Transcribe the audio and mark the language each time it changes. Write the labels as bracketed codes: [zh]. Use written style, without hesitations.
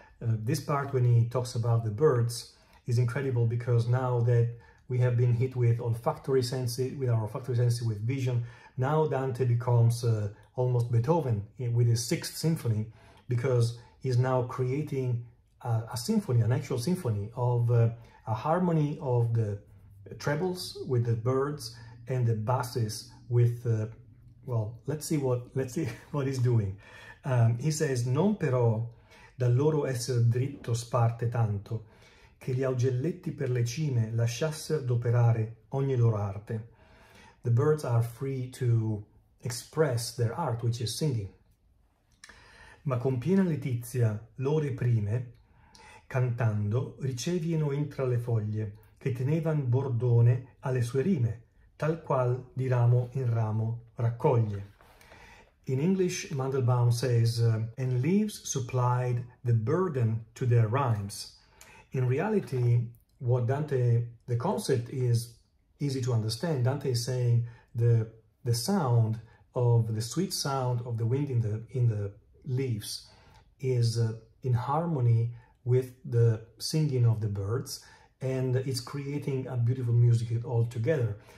[en] This part, when he talks about the birds, is incredible, because now that we have been hit with olfactory senses, with our olfactory senses, with vision, now Dante becomes almost Beethoven with his sixth symphony, because he's now creating a symphony, an actual symphony of a harmony of the trebles with the birds and the basses with, let's see what he's doing. [it] He says, non però dal loro esser dritto sparte tanto, che gli augelletti per le cime lasciasser d'operare ogni loro arte. [en] The birds are free to express their art, which is singing. [it] Ma con piena letizia l'ore prime, cantando, ricevieno intra le foglie, che tenevan bordone alle sue rime, tal qual di ramo in ramo raccoglie. [en] In English, Mandelbaum says, and leaves supplied the burden to their rhymes. In reality, what Dante, the concept is easy to understand. Dante is saying the sound of the sweet sound of the wind in the leaves is in harmony with the singing of the birds, and it's creating a beautiful music all together.